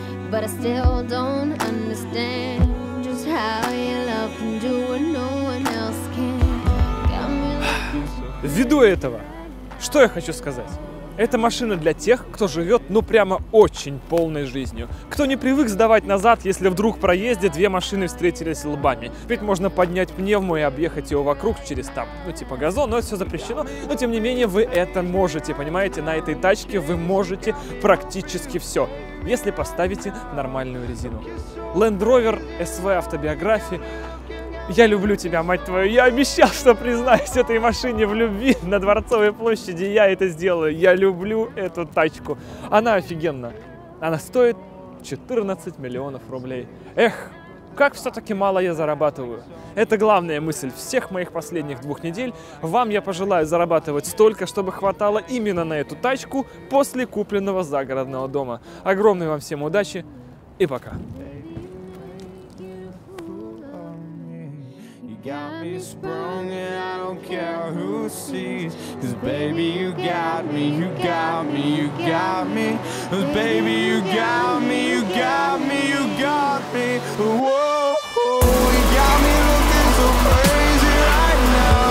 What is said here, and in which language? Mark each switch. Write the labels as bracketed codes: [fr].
[en] But I still don't understand just how your love can do what no one else can. Got me looking. [ru] Ввиду этого, что я хочу сказать? Это машина для тех, кто живет, ну, прямо очень полной жизнью. Кто не привык сдавать назад, если вдруг в проезде две машины встретились лбами. Ведь можно поднять пневму и объехать его вокруг через там, ну, типа газон, но это все запрещено. Но, тем не менее, вы это можете, понимаете? На этой тачке вы можете практически все, если поставите нормальную резину. Land Rover SV автобиографии. Я люблю тебя, мать твою. Я обещал, что признаюсь этой машине в любви на Дворцовой площади. Я это сделаю. Я люблю эту тачку. Она офигенна. Она стоит 14 миллионов рублей. Эх, как все-таки мало я зарабатываю. Это главная мысль всех моих последних двух недель. Вам я пожелаю зарабатывать столько, чтобы хватало именно на эту тачку после купленного загородного дома. Огромной вам всем удачи и пока. [en] Got me sprung and I don't care who sees. Cause baby you got me, you got me, you got me. Cause baby you got me, you got me, you got me. Whoa, you got me looking so crazy right now.